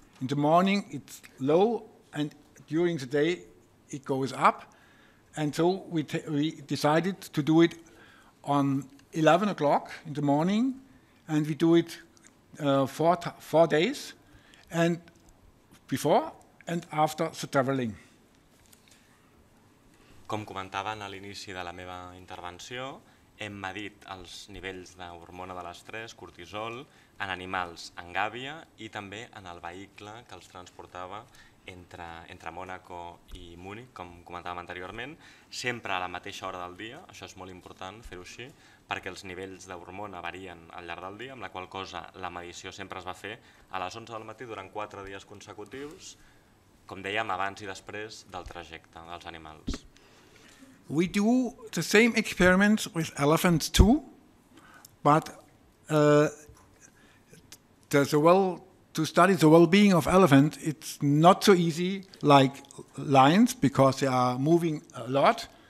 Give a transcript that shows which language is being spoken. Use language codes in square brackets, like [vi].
[en] In the morning it's low and during the day it goes up. And so we decided to do it on 11 o'clock in the morning, and we do it four days, and before and after the traveling. [ca] Com comentaven a l'inici de la meva intervenció, hem medit els nivells d'hormona de l'estrès, cortisol, en animals en gàbia i també en el vehicle que els transportava entre Mònaco i Múnich, com comentàvem anteriorment, sempre a la mateixa hora del dia. Això és molt important fer-ho així, perquè els nivells d'hormona varien al llarg del dia, amb la qual cosa la medició sempre es va fer a les 11 del matí durant 4 dies consecutius, com dèiem, abans i després del trajecte dels animals. [en] We do the same experiments with elephants too, but to study the well-being of elephants, it's not so easy like lions because they are moving a lot.